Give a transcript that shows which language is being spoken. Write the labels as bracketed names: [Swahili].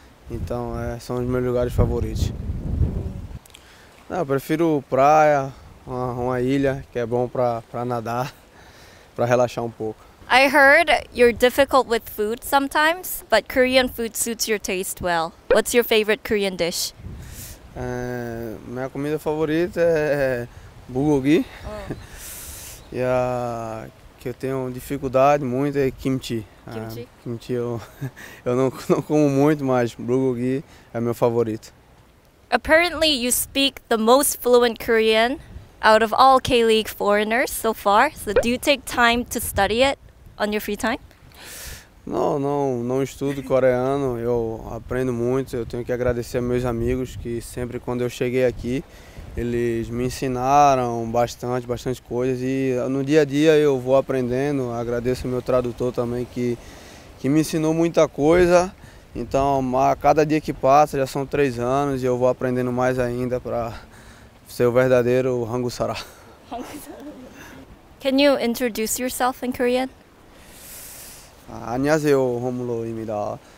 [Portuguese] Então, são os meus lugares favoritos. Não, eu prefiro praia, uma ilha, que é bom para nadar, para relaxar um pouco. [English] I heard you're difficult with food sometimes, but Korean food suits your taste well. What's your favorite Korean dish? [Portuguese] Minha comida favorita é bulgogi. E a que eu tenho dificuldade muito é kimchi. Kimchi eu não como muito, mas bulgogi é meu favorito. [English] Apparently you speak the most fluent Korean out of all K-League foreigners so far. So do you take time to study it on your free time? [Portuguese] Não estudo coreano. Eu aprendo muito. Eu tenho que agradecer meus amigos que sempre quando eu cheguei aqui, eles me ensinaram bastante coisas e no dia a dia eu vou aprendendo. Agradeço o meu tradutor também que me ensinou muita coisa. Então, a cada dia que passa, já são 3 anos e eu vou aprendendo mais ainda para ser o verdadeiro Hangusara. [English] Can you introduce yourself in Korean? [Korean] 안녕하세요, 호물로입니다.